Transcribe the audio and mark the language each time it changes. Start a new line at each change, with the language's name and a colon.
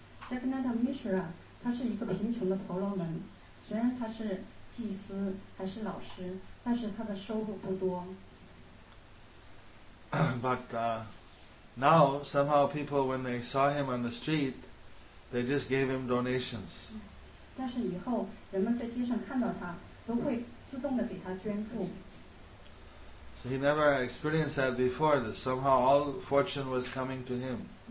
English: Jagannath Mishra, he is a poor brahmana. Although he is a teacher or a teacher, but his income is not very much. But now, somehow people, when they saw him on the street, they just gave him donations.
Chinese: 但是以后人们在街上看到他都会自动地给他捐助。So
English: he never experienced that before, that somehow all fortune was coming to him.